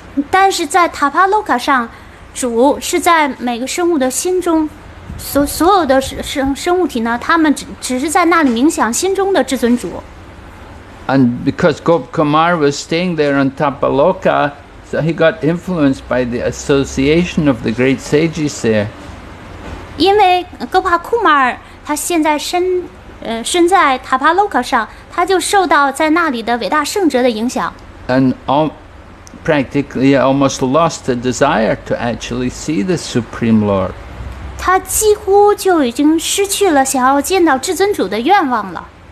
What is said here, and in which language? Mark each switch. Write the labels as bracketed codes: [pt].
[zh] 但是在塔帕洛卡上，主是在每个生物的心中。所有的生物体呢，他们只是在那里冥想心中的至尊主。 [en] And because Gop Kumar was staying there on Tapoloka, so he got influenced by the association of the great sages there. [zh] 因为戈帕库马尔他现在身在塔帕洛卡上，他就受到在那里的伟大圣哲的影响。 [en] And all practically almost lost the desire to actually see the Supreme Lord. [zh] 他几乎就已经失去了想要见到至尊主的愿望了。